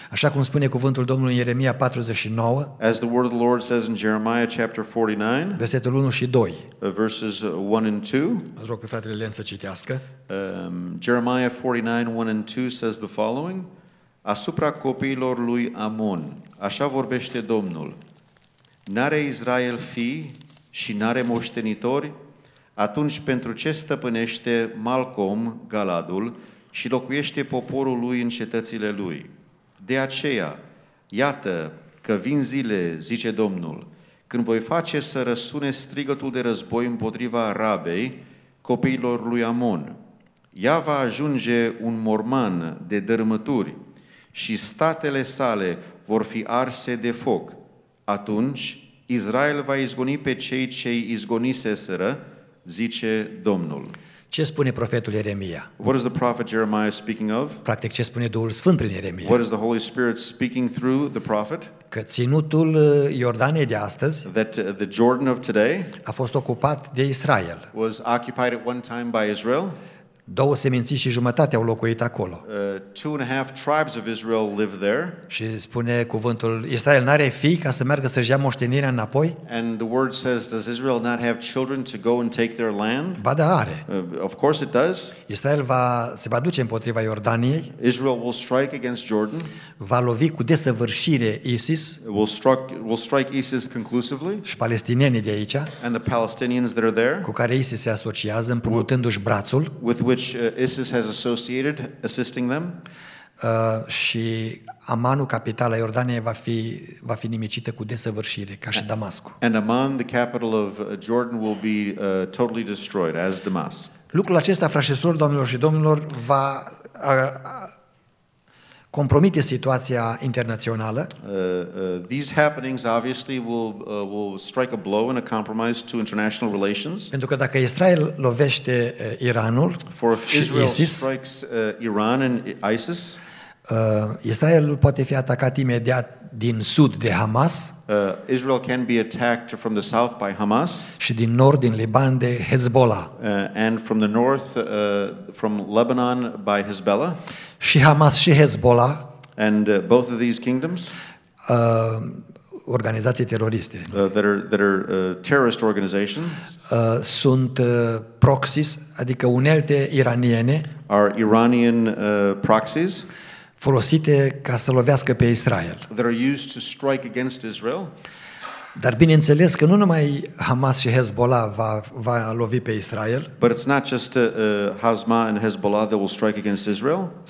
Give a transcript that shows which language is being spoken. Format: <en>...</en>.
<ro>Așa cum spune cuvântul Domnului în Ieremia 49.</ro> <en>As the word of the Lord says in Jeremiah chapter 49.</en> <ro>Versetul 1 și 2.</ro> <en>Verses 1 and 2.</en> <ro>Aș rog pe fratele Len să citească.</ro> <en>Jeremiah 49, 1 and 2 says the following.</en> <ro>Asupra copiilor lui Amon, așa vorbește Domnul. N-are Israel fii și n-are moștenitori? Atunci pentru ce stăpânește Malcom Galadul și locuiește poporul lui în cetățile lui? De aceea, iată că vin zile, zice Domnul, când voi face să răsune strigătul de război împotriva Rabei, copiilor lui Amon. Ea va ajunge un morman de dărâmături și statele sale vor fi arse de foc. Atunci Israel va izgoni pe cei ce îi izgoniseseră, zice Domnul. Ce spune profetul Ieremia?</ro> <en>What is the prophet Jeremiah speaking of?</en> <ro>Practic, ce spune Duhul Sfânt prin Ieremia?</ro> <en>What is the Holy Spirit speaking through the prophet?</en> <ro>Că ținutul Iordaniei de astăzi,</ro> <en>that the Jordan of today,</en> <ro>a fost ocupat de Israel.</ro> <en>Was occupied at one time by Israel.</en> <ro>Două seminții și jumătate au locuit acolo.</ro> <en>Two and a half tribes of Israel live there.</en> <ro>Și spune cuvântul, Israel n-are fii ca să meargă să-și ia moștenirea înapoi?</ro> <en>And the word says, does Israel not have children to go and take their land?</en> <ro>Ba da, are.</ro> <en>Of course it does.</en> <ro>Israel se va duce împotriva Iordaniei.</ro> <en>Israel will strike against Jordan.</en> <ro>Va lovi cu desăvârșire ISIS.</ro> <en>Will strike ISIS conclusively.</en> <ro>Și palestinienii de aici.</ro> <en>And the Palestinians that are there.</en> <ro>Cu care ISIS se asociază împrumutându-și brațul.</ro> <en>Which ISIS has associated, assisting them.</en> <ro>Și Amanu, capitala Iordaniei, va fi nimicită cu desăvârșire, ca și Damascul.</ro> <en>And Amman, the capital of Jordan, will be totally destroyed, as Damascus.</en> <ro>Lucrul acesta, frașesor, domnilor și domnilor, va compromite situația internațională.</ro> <en>These happenings obviously will strike a blow and a compromise to international relations.</en> <ro>Pentru că dacă Israel lovește Iranul și ISIS,</ro> <en>strikes Iran and ISIS,</en> <ro>Israel poate fi atacat imediat din sud de Hamas.</ro> <en>Israel can be attacked from the south by Hamas.</en> <ro>Și din nord din Liban de Hezbollah.</ro> <en>And from the north from Lebanon by Hezbollah.</en> <ro>Și Hamas și Hezbollah.</ro> <en>And both of these kingdoms.</en> <ro>Organizații teroriste.</ro> <en>That are terrorist organizations.</en> <ro>Sunt proxies, adică unelte iraniene.</ro> <en>Are Iranian proxies.</en> <ro>Folosite ca să lovească pe Israel.</ro> <en>That are used to strike against Israel.</en> <ro>Dar bineînțeles că nu numai Hamas și Hezbollah va lovi pe Israel.</ro> <en>But it's not just Hamas and Hezbollah that will strike against Israel.</en>